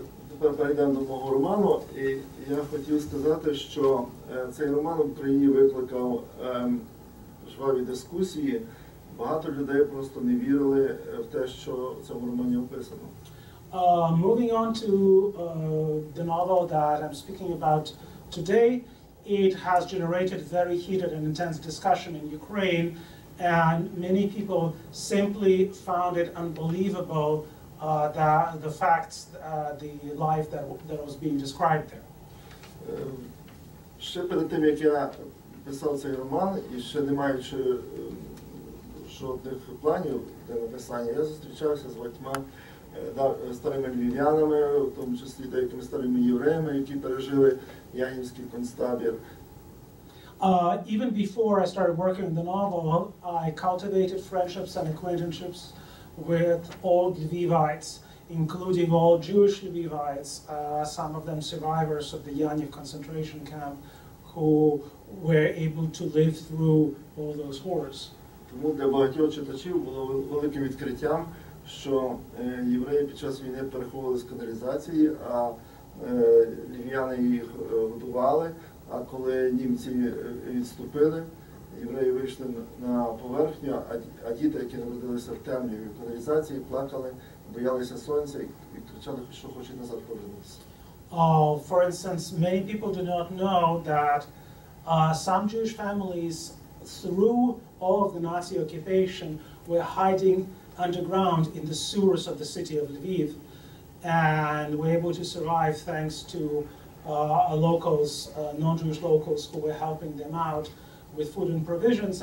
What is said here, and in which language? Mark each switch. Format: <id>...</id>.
<uk>Тепер перейдемо до мого роману, і я хотів сказати, що цей роман в Україні викликав жваві дискусії. Багато людей просто не вірили в те, що в цьому романі описано.</uk> <en>Moving on to the novel that I'm speaking about today, it has generated very heated and intense discussion in Ukraine, and many people simply found it unbelievable, the facts, the life that was being described there.</en> <uk>Ще перед тим, як я писав цей роман, і ще не маючи жодних планів для написання, я зустрічався з багатьма старими львів'янами, в тому числі деякими старими євреями, які пережили Янівський концтабір.</uk> <en>Even before I started working on the novel, I cultivated friendships and acquaintanceships with old Lvivites, including all Jewish Lvivites, some of them survivors of the Yaniv concentration camp, who were able to live through all those horrors.</en> <uk>Тому для багатьох читачів було великим відкриттям, що євреї під час війни переховували з каналізації, а львів'яни їх годували, а коли німці відступили, євреї вийшли на поверхню, а діти, які народилися в темряві, в каналізації, плакали, боялися сонця і кричали, що хочуть назад повернутися.</uk> <en>For instance, many people do not know that some Jewish families, through all of the Nazi occupation, were hiding underground in the sewers of the city of Lviv, and were able to survive thanks to locals, non-Jewish locals, who were helping them out with food and provisions.</en>